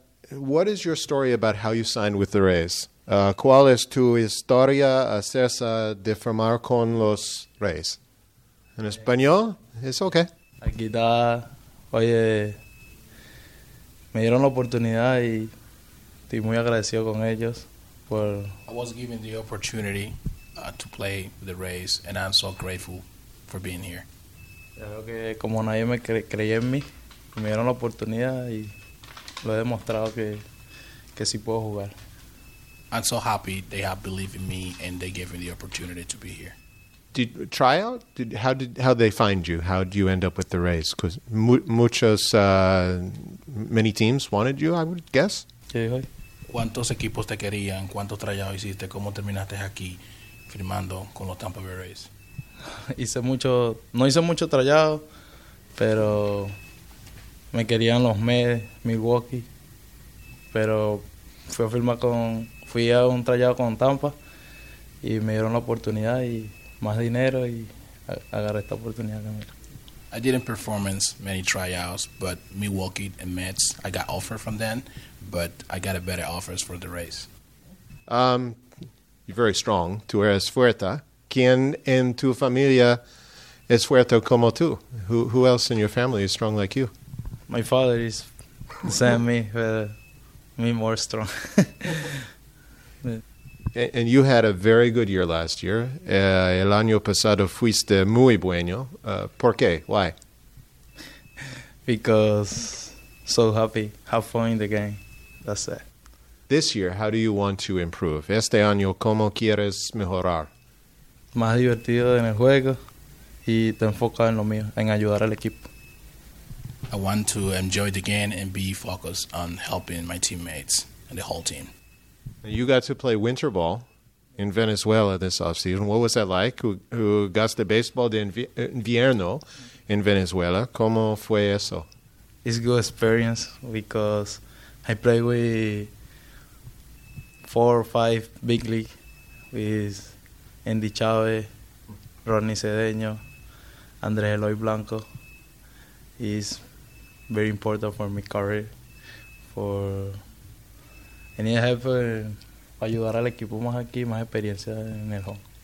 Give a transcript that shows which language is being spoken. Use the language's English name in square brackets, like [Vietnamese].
[English] What is your story about how you signed with the Rays? [Spanish] ¿Cuál es tu historia acerca de firmar con los Rays? En español, [English] it's okay. [Spanish] Aquí está, oye, me dieron la oportunidad y estoy muy agradecido con ellos por. [English] I was given the opportunity to play with the Rays, and I'm so grateful for being here. [Spanish] Creo que como nadie me creyó en mí, me dieron la oportunidad y lo he demostrado que sí puedo jugar. [English] I'm so happy they have believed in me and they gave me the opportunity to be here. Did tryout? How did they find you? How did you end up with the Rays? Because many teams wanted you, I would guess. [Spanish] Sí. ¿Cuántos equipos te querían? ¿Cuántos tryout hiciste? ¿Cómo terminaste aquí firmando con los Tampa Bay Rays? No hice mucho tryout, pero me querían los Mets, Milwaukee, pero fui a un tryout con Tampa y me dieron la oportunidad y más dinero y agarré esta oportunidad también. [English] I didn't perform many tryouts, but Milwaukee and Mets, I got offer from them, but I got a better offers for the Rays. You're very strong. [Spanish] Tú eres fuerte. ¿Quién en tu familia es fuerte como tú? [English] Who else in your family is strong like you? My father is the same me, but me more strong. And you had a very good year last year. [Spanish] El año pasado fuiste muy bueno. ¿Por qué? [English] Why? Because so happy. Have fun in the game. That's it. This year, how do you want to improve? [Spanish] Este año, ¿cómo quieres mejorar? Más divertido en el juego y te enfocas en lo mío, en ayudar al equipo. [English] I want to enjoy the game and be focused on helping my teammates and the whole team. You got to play winter ball in Venezuela this offseason. What was that like? Who got the baseball [Spanish] de invierno [English] in Venezuela? [Spanish] ¿Cómo fue eso? [English] It's a good experience because I play with 4 or 5 big league with Andy Chavez, Rodney Cedeño, Andrés Eloy Blanco. It's very important for my career. For any help, [Spanish] ayudar al equipo más aquí, más experiencia en el home.